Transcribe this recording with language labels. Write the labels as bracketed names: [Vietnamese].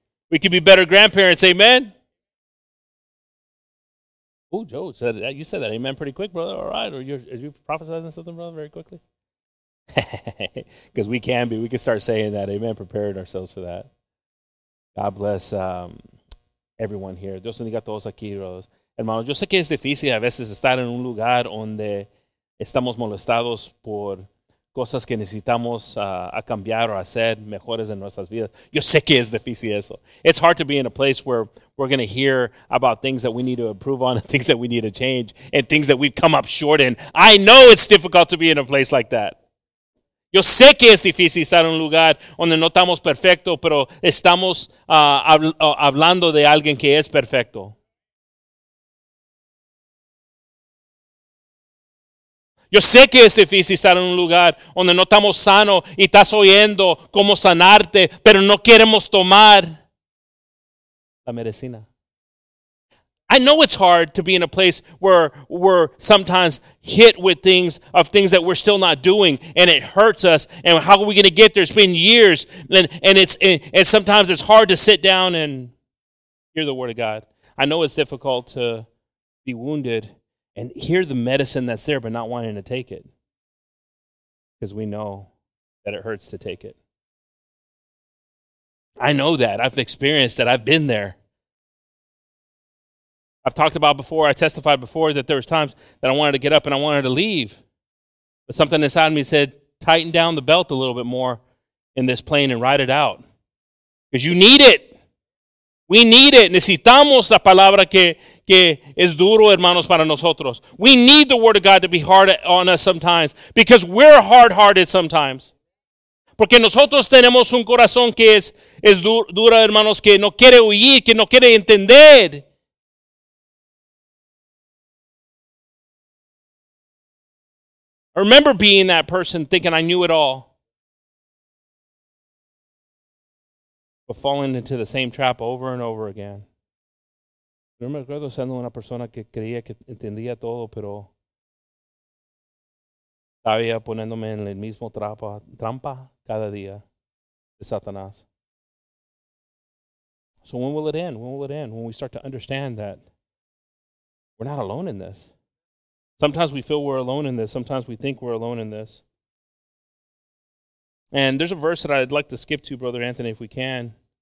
[English] We could be better grandparents, amen? Oh, Joe, said that. You said that amen pretty quick, brother. All right, are you prophesizing something, brother, very quickly? Because we can start saying that, amen, preparing ourselves for that. God bless everyone here. [Spanish] Dios bendiga a todos aquí, hermanos. Yo sé que es difícil a veces estar en un lugar donde estamos molestados por cosas que necesitamos a cambiar o hacer mejores en nuestras vidas. Yo sé que es difícil eso. [English] It's hard to be in a place where we're going to hear about things that we need to improve on and things that we need to change and things that we've come up short in. I know it's difficult to be in a place like that. [Spanish] Yo sé que es difícil estar en un lugar donde no estamos perfectos, pero estamos hablando de alguien que es perfecto. Yo sé que es difícil estar en un lugar donde no estamos sanos y estás oyendo cómo sanarte, pero no queremos tomar la medicina. [English] I know it's hard to be in a place where we're sometimes hit with things that we're still not doing, and it hurts us, and how are we going to get there? It's been years, and sometimes it's hard to sit down and hear the Word of God. I know it's difficult to be wounded and hear the medicine that's there but not wanting to take it, because we know that it hurts to take it. I know that. I've experienced that. I've been there. I've talked about before, I testified before, that there was times that I wanted to get up and I wanted to leave. But something inside of me said, tighten down the belt a little bit more in this plane and ride it out. Because you need it. We need it. [Spanish] Necesitamos la palabra que es duro, hermanos, para nosotros. [English] We need the Word of God to be hard on us sometimes, because we're hard-hearted sometimes. [Spanish] Porque nosotros tenemos un corazón que es duro, hermanos, que no quiere oír, que no quiere entender. [English] I remember being that person thinking I knew it all, but falling into the same trap over and over again. [Spanish] Yo me acuerdo siendo una persona que creía que entendía todo, pero estaba poniéndome en el mismo trampa cada día de Satanás. [English] So when will it end? When will it end? When we start to understand that we're not alone in this. Sometimes we feel we're alone in this. Sometimes we think we're alone in this. And there's a verse that I'd like to skip to, Brother Anthony, if we can.